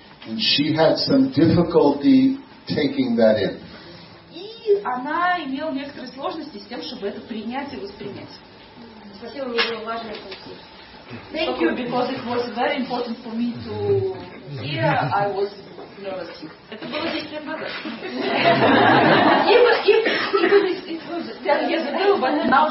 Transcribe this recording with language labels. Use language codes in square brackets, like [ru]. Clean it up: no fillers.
[en] And she had some difficulty taking that in. [ru] И она имела некоторые сложности с тем, чтобы это принять и воспринять. Спасибо, мне было важно это услышать. [en] Thank you, because it was very important for me to hear. I was It was 10 years ago, but now